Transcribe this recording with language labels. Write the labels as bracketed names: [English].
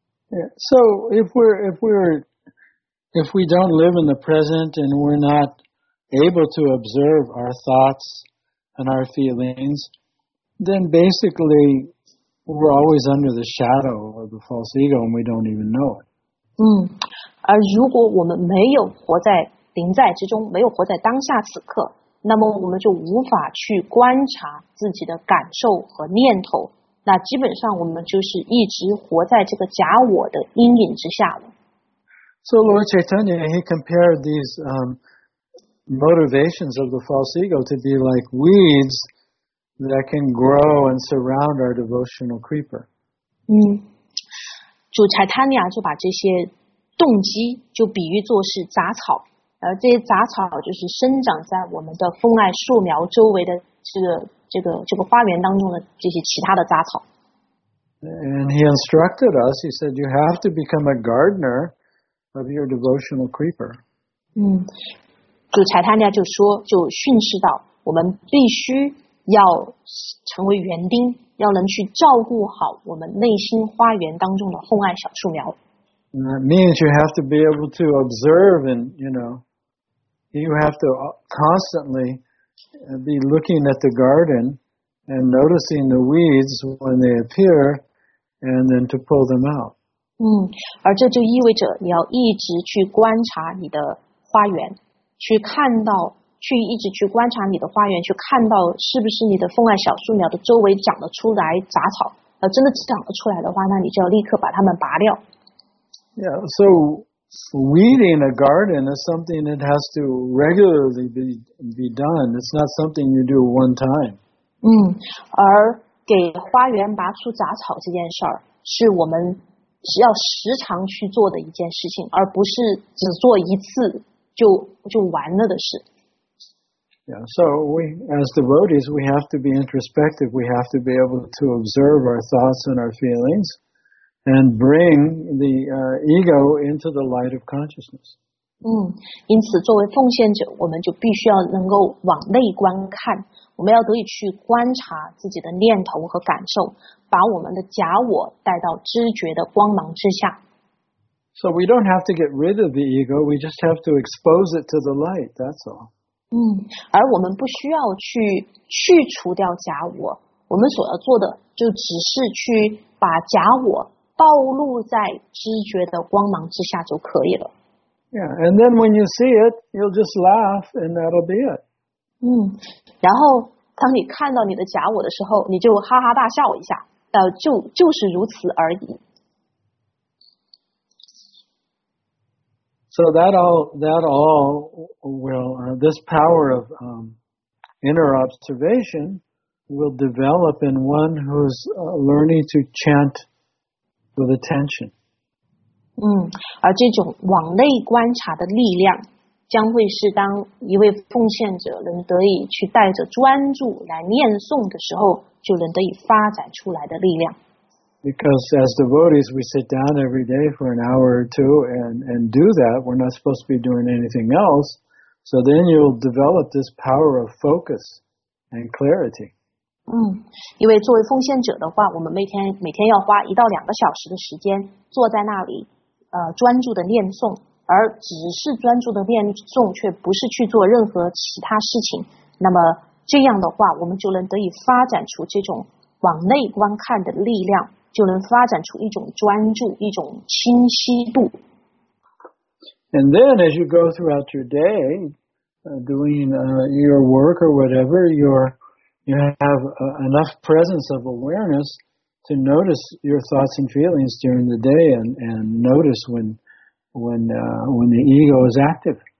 [English] So if we don't live in the present and we're not able to observe our thoughts and our feelings, then basically we're always under the shadow of the false ego and we don't even know it. [Chinese] 而如果我们没有活在临在之中，没有活在当下此刻，那么我们就无法去观察自己的感受和念头，那基本上我们就是一直活在这个假我的阴影之下了。 [English] So Lord Chaitanya, he compared these motivations of the false ego to be like weeds that can grow and surround our devotional creeper. [Chinese] 主 Chaitanya 就把这些动机就比喻作是杂草，而这些杂草就是生长在我们的风爱树苗周围的这个花园当中的这些其他的杂草。 [English] And he instructed us. He said, "You have to become a gardener of your devotional creeper." [Chinese] 主柴坦尼亚就说，就训示到我们必须要成为园丁，要能去照顾好我们内心花园当中的红爱小树苗。 [English] That means you have to be able to observe, and you know, you have to constantly be looking at the garden and noticing the weeds when they appear, and then to pull them out. [Chinese] 而这就意味着你要一直去观察你的花园，去看到，去一直去观察你的花园，去看到是不是你的风爱小树苗的周围长得出来杂草。真的长得出来的话，那你就要立刻把它们拔掉。 [English] Yeah, so weeding a garden is something that has to regularly be done. It's not something you do one time. [Chinese] 而给花园拔出杂草这件事儿，是我们是要时常去做的一件事情，而不是只做一次就完了的事。 [English] Yeah, so we as devotees, we have to be introspective. We have to be able to observe our thoughts and our feelings. And bring the ego into the light of consciousness. [Chinese] 因此作为奉献者，我们就必须要能够往内观看，我们要得以去观察自己的念头和感受，把我们的假我带到知觉的光芒之下。 [English] So we don't have to get rid of the ego, we just have to expose it to the light, that's all. [Chinese] 而我们不需要去去除掉假我，我们所要做的就只是去把假我暴露在知觉的光芒之下就可以了。 [English] Yeah, and then when you see it, you'll just laugh, and that'll be it. [Chinese] 然后当你看到你的假我的时候，你就哈哈大笑一下，就是如此而已。 [English] So that all will this power of inner observation will develop in one who's learning to chant. With attention. [Chinese] 而这种往内观察的力量，将会是当一位奉献者能得以去带着专注来念诵的时候，就能得以发展出来的力量。 [English] Because as devotees, we sit down every day for an hour or two and do that. We're not supposed to be doing anything else. So then you'll develop this power of focus and clarity. [Chinese] 因为作为奉献者的话，我们每天要花一到两个小时的时间坐在那里，专注的念诵，而只是专注的念诵，却不是去做任何其他事情。那么这样的话，我们就能得以发展出这种往内观看的力量，就能发展出一种专注，一种清晰度。 [English] And then as you go throughout your day, doing your work or whatever, You have enough presence of awareness to notice your thoughts and feelings during the day and notice when the ego is active.